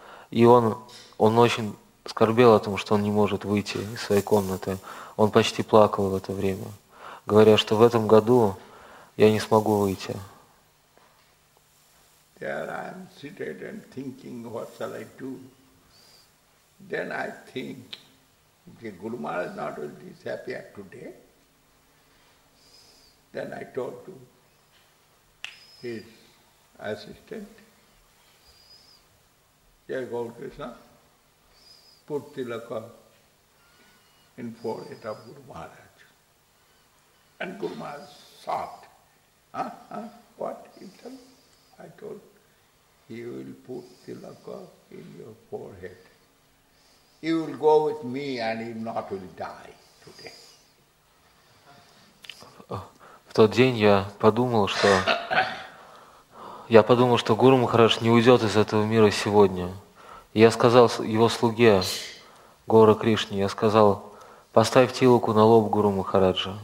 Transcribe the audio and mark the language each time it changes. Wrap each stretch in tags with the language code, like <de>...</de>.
<ru>И он очень скорбел о том, что он не может выйти из своей комнаты. Он почти плакал в это время, говоря, что в этом году я не смогу выйти.</ru> <en>There I am seated and thinking, what shall I do? Then I think, if Guru Maharaj is not with this happy today, then I talk to his assistant, Jai Gaur Krishna, put Tilaka in forehead of Guru Maharaj. And Guru Maharaj sobbed. What? He said, I told, he will put Tilaka in your forehead. You will go with me and he not will die today.</en> <ru>В тот день я подумал, что Гуру Махарадж не уйдет из этого мира сегодня. И я сказал его слуге, Гора Кришне, я сказал, поставь тилаку на лоб Гуру Махараджа.</ru>